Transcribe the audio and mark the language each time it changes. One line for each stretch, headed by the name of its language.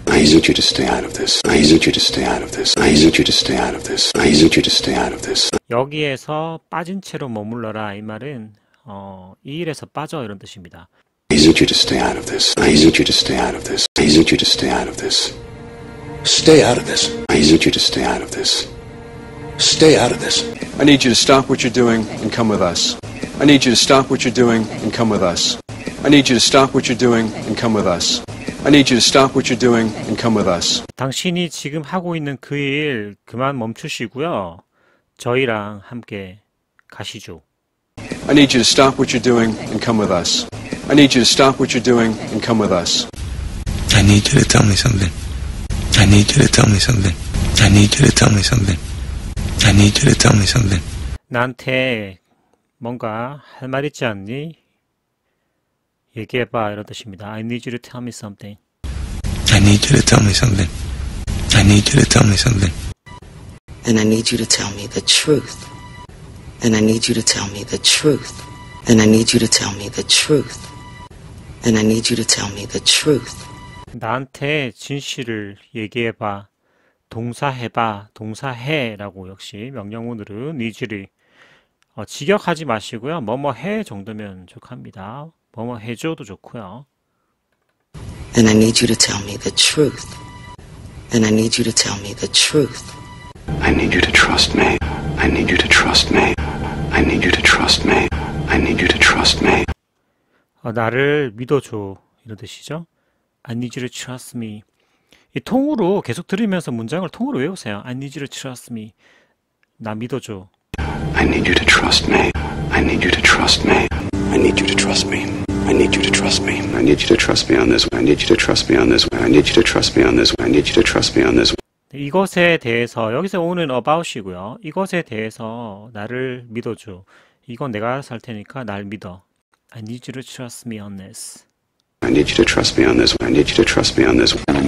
English: I need you to stay out of this. I need you to stay out of this. I need you to stay out of this. I need you to stay out of this.
Korean: 여기에서 빠진 채로 머물러라 이 말은 이 일에서 빠져 이런 뜻입니다.
English: I need you to stay out of this. I need you to stay out of this. I need you to stay out of this. Stay out of this. I need you to stay out of this. Stay out of this. I need you to stop what you're doing and come with us. I need you to stop what you're doing and come with us. I need you to stop what you're doing and come with us. I need you to stop what you're doing and come with us.
Korean: 당신이 지금 하고 있는 그일 그만 멈추시고요. 저희랑 함께 가시죠.
English: I need you to stop what you're doing and come with us. I need you to stop what you're doing and come with us. I need you to tell me something. I need you to tell me something. I need you to tell me something. I need you to tell me something.
Korean: 나한테 뭔가 할말 있지 않니? 얘기해봐. 이런 뜻입니다.
English: I need you to tell me something. I need you to tell me something. I need you to tell me something. And I need you to tell me the truth. And I need you to tell me the truth. And I need you to tell me the truth. And I need you to tell me the truth.
Korean: 나한테 진실을 얘기해 봐. 동사해 봐. 동사해 라고 역시 명령문으로 니즈리 직역하지 마시고요. 뭐뭐 해 정도면 좋합니다. 뭐뭐 해줘도 좋고요.
English: And I need you to tell me the truth. And I need you to tell me the truth. I need you to trust me. I need you to trust me. I need you to trust me. I need you to trust me.
Korean: 나를 믿어줘. 이런 뜻이죠.
English: I need you to trust me.
Korean: 이 통으로 계속 들으면서 문장을 통으로 외우세요.
English: I need you to trust me.
Korean: 나 믿어줘.
English: I need you to trust me. I need you to trust me. I need you to trust me. I need you to trust me. I need you to trust me on this way. I need you to trust me on this way. I need you to trust me on this way. I need you to trust me on this way.
Korean: 이것에 대해서 여기서 오는 about이고요. 이것에 대해서 나를 믿어줘. 이건 내가 살 테니까 날 믿어.
English: I need you to trust me on this. I need you to trust me on this way. I need you to trust me on this way.